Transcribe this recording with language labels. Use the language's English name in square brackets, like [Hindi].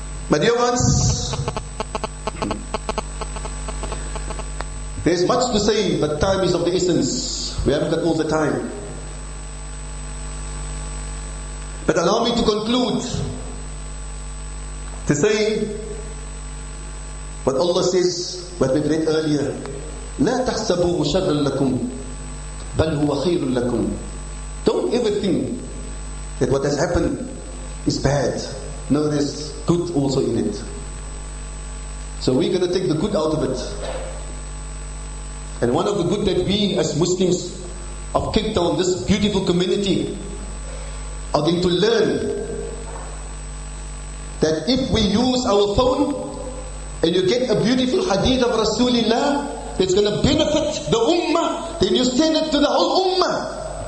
[English] My dear ones, there's much to say, but time is of the essence. We haven't got all the time. But allow me to conclude to say what Allah says, what we read earlier. [Arabic] لا تحسبوا مشر لكم بل هو خير لكم. [English] Don't ever think that what has happened is bad. No, there's good also in it. So we're going to take the good out of it. And one of the good that we as Muslims of Cape Town, this beautiful community, are going to learn that if we use our phone and you get a beautiful hadith of Rasulullah that's going to benefit the ummah, then you send it to the whole ummah.